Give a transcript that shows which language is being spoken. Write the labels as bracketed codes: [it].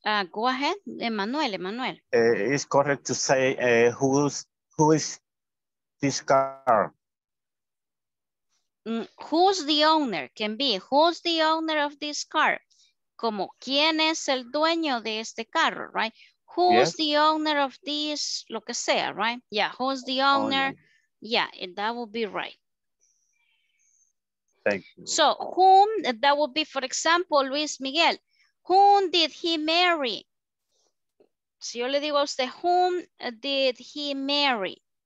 [en] Go ahead, Emmanuel. It's correct to say who is this car? Who's the owner? Can be, who's the owner of this car? [es] Como, ¿quién es el dueño de este carro, right? [en] Who's yes. the owner of this, [es] lo que sea, [en] right? Yeah, who's the owner? Oh, yeah. Yeah, that would be right. Thank you. So whom, that would be, for example, Luis Miguel, whom did he marry? [es] Si yo le digo a usted, [en] whom did he marry?